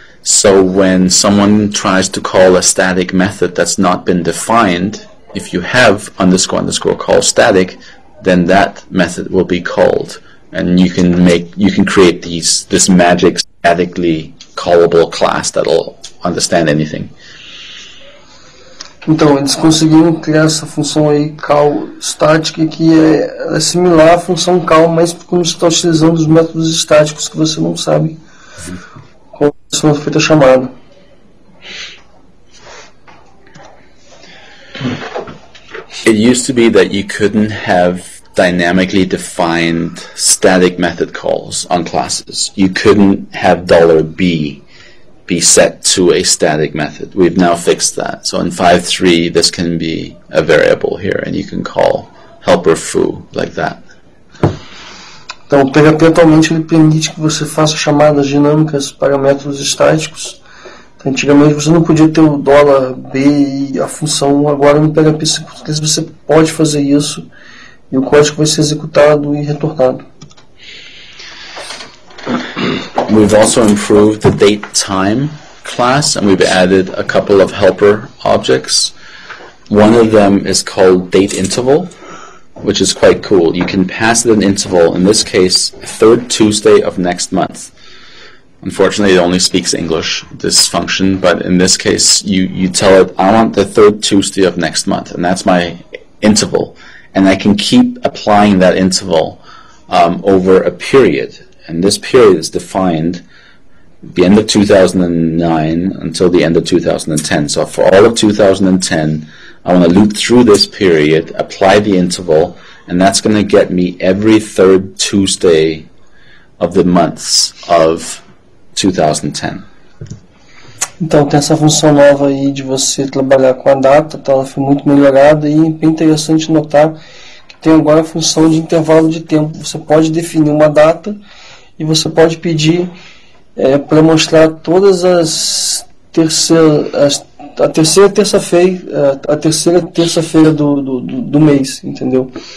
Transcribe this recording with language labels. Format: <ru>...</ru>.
<en>So when someone tries to call a static method that's not been defined, if you have underscore underscore call static, then that method will be called, and you can create this magic statically callable class that'll understand anything.</en> <pt>Então, eles conseguiram criar essa função aí, call static, que é similar à função call, mas como você está utilizando os métodos estáticos que você não sabe como são feitas a chamada.</pt> <en>It used to be that you couldn't have dynamically defined static method calls on classes. You couldn't have $B. Be set to a static method. We've now fixed that. So in 5.3, this can be a variable here, and you can call helper foo like that.</en> <pt>Então, o PHP atualmente ele permite que você faça chamadas dinâmicas para métodos estáticos. Então, antigamente você não podia ter o dólar B e a função, agora no PHP 5.3 você pode fazer isso e o código vai ser executado e retornado.</pt> <en>We've also improved the date time class and we've added a couple of helper objects. One of them is called date interval, which is quite cool. You can pass it an interval, in this case, third Tuesday of next month. Unfortunately, it only speaks English, this function, but in this case, you tell it, I want the third Tuesday of next month, and that's my interval. And I can keep applying that interval over a period. And this period is defined the end of 2009 until the end of 2010. So for all of 2010, I want to loop through this period, apply the interval, and that's going to get me every third Tuesday of the months of 2010.</en> <pt>Então, tem essa função nova aí de você trabalhar com a data, então ela foi muito melhorada e bem interessante notar que tem agora a função de intervalo de tempo. Você pode definir uma data e você pode pedir para mostrar todas a terceira terça-feira do mês, entendeu?</pt>